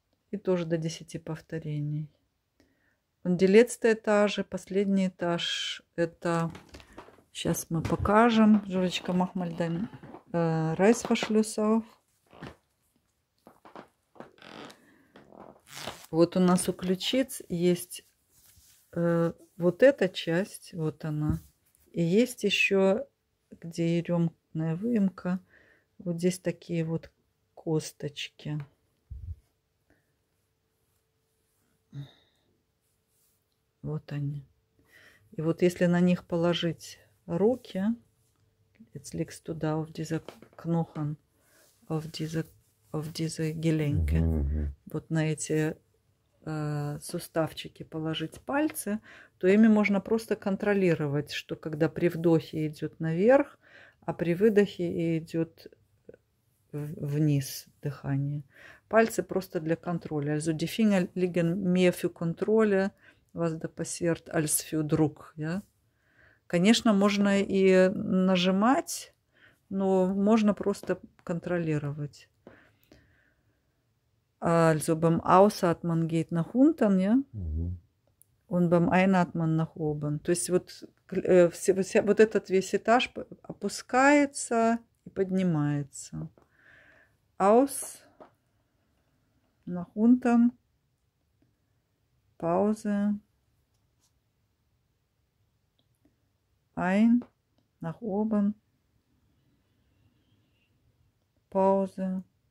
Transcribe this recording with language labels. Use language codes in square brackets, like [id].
[ru] И тоже до 10 повторений. [de] Und die letzte Etage, [ru] последний этаж, это... Сейчас мы покажем. [de] Жорочка, mach mal deinen Reißverschluss auf. [ru] Вот у нас у ключиц есть вот эта часть, вот она. И есть еще, где ерёмная выемка, вот здесь такие вот косточки. Вот они. И вот если на них положить руки, [de] jetzt legst du da auf diese Knochen, auf diese Gelenke, [ru] вот на эти суставчики положить пальцы, то ими можно просто контролировать, что когда при вдохе идет наверх, а при выдохе идет вниз дыхание. Пальцы просто для контроля. [de] Also die Finger liegen mehr für Kontrolle, was da passiert, als für Druck, ja? [ru] Конечно, можно и нажимать, но можно просто контролировать. [de] Also beim Ausatmen geht nach unten, ja? Und beim Einatmen nach oben. [ru] То есть вот этот весь этаж опускается и поднимается. [de] Aus, nach unten, Pause, ein, nach oben, Pause.